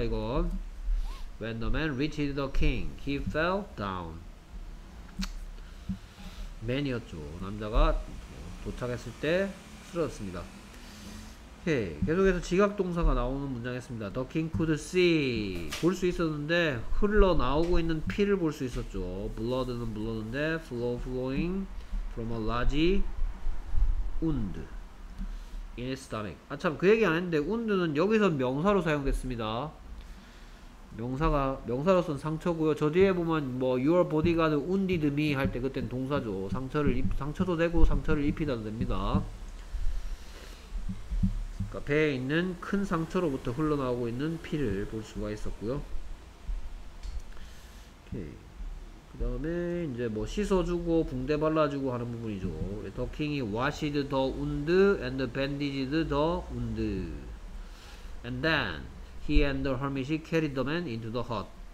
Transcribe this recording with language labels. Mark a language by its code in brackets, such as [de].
[en] 이건 when the man reached the king he fell down. [ko] 맨이었죠. 남자가 도착했을 때 쓰러졌습니다. 오케이. 계속해서 지각동사가 나오는 문장이었습니다. [en] The king could see. [ko] 볼 수 있었는데 흘러나오고 있는 피를 볼 수 있었죠. [en] Blood는 blood인데 flow flowing from a large wound in his stomach. [ko] 아 참 그 얘기 안 했는데 wound는 여기서 명사로 사용됐습니다. 명사로선 상처고요. 저 뒤에 보면 뭐 [en] your bodyguard wounded me [ko] 할 때 그땐 동사죠. 상처도 되고 상처를 입히다도 됩니다. 그러니까 배에 있는 큰 상처로부터 흘러나오고 있는 피를 볼 수가 있었고요. 그다음에 이제 뭐 씻어주고 붕대 발라주고 하는 부분이죠. [en] The king washed the wound and bandaged the wound and then. He and the hermit carried the man into the hut.